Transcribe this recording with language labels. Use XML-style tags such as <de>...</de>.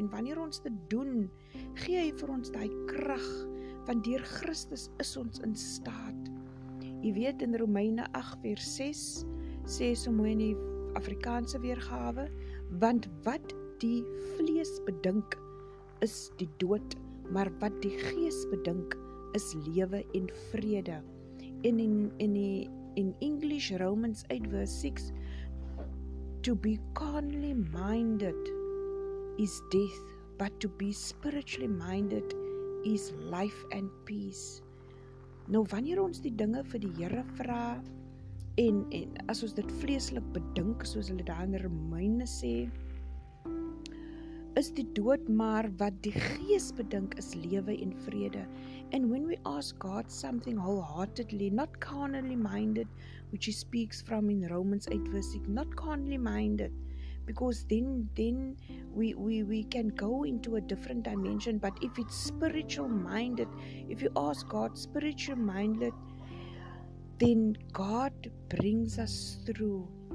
<af>En wanneer ons dit doen, gee hy vir ons daai krag, want deur Christus is ons in staat. Jy weet, in Romeine 8 vers 6 sê so mooi in die Afrikaanse weergawe, want wat die vlees bedink is die dood, maar wat die gees bedink is lewe en vrede.</af> <en>En in English, Romans 8 vers 6, to be carnally minded is death, but to be spiritually minded is life and peace.</en> <af>Nou, wanneer ons die dinge vir die Here vra, en as ons dit vleeslik bedink, soos hulle daar in Romeine sê, is die dood, maar wat die gees bedink is lewe en vrede.</af> <en>And when we ask God something wholeheartedly, not carnally minded, which he speaks from in Romans 8 verse 6, not carnally minded, because then we can go into a different dimension. But if it's spiritual minded, if you ask God spiritual minded, then God brings us through.</en>